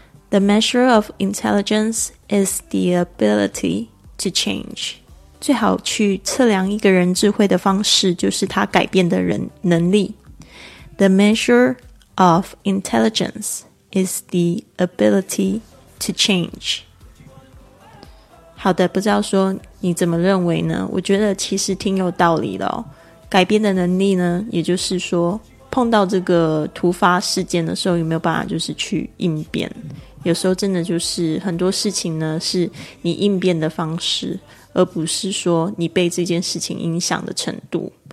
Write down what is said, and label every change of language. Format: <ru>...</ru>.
<en>The measure of intelligence is the ability to change.</en> <zh>最好去测量一个人智慧的方式就是他改变的人能力。</zh> <en>The measure of intelligence is the ability to change.</en> <zh>好的，不知道说你怎么认为呢？我觉得其实挺有道理的哦。改变的能力呢，也就是说碰到这个突发事件的时候有没有办法就是去应变，有时候真的就是很多事情呢是你应变的方式，而不是说你被这件事情影响的程度。</zh>